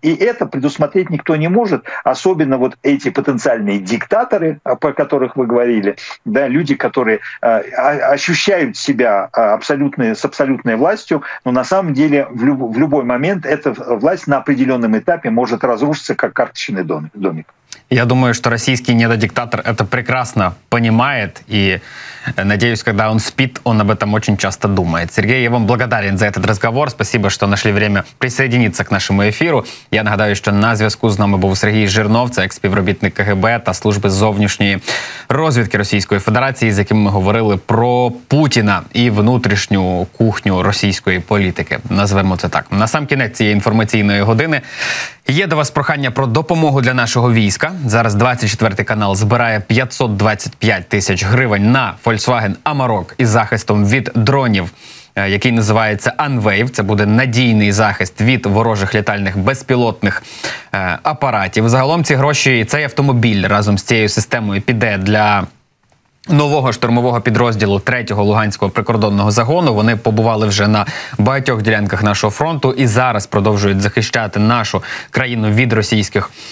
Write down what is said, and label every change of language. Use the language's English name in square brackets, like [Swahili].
[Russian] И это предусмотреть никто не может, особенно вот эти потенциальные диктаторы, про которых вы говорили, да, люди, которые ощущают себя с абсолютной властью, но на самом деле в любой момент эта власть на определенном этапе может разрушиться, как карточный домик. Я думаю, что российский недодиктатор это прекрасно понимает, и надеюсь, когда он спит, он об этом очень часто думает. Сергей, я вам благодарен за этот разговор. Спасибо, что нашли время присоединиться к нашему эфиру. [Ukrainian] Я нагадаю, [Russian] что [Ukrainian] на зв'язку з нами був Сергій Жирнов, це експівробітник КГБ та Служби зовнішньої розвідки Російської Федерації, з яким ми говорили про Путіна і внутрішню кухню російської політики. Назвемо це так. На сам кінець цієї інформаційної години є до вас прохання про допомогу для нашого війська. Зараз 24-й канал збирає 525 тисяч гривень на Volkswagen Amarok із захистом від дронів, який називається Unwave. Це буде надійний захист від ворожих літальних безпілотних апаратів. Загалом ці гроші, цей автомобіль разом з цією системою піде для нового штурмового підрозділу 3-го Луганського прикордонного загону. Вони побували вже на багатьох ділянках нашого фронту і зараз продовжують захищати нашу країну від російських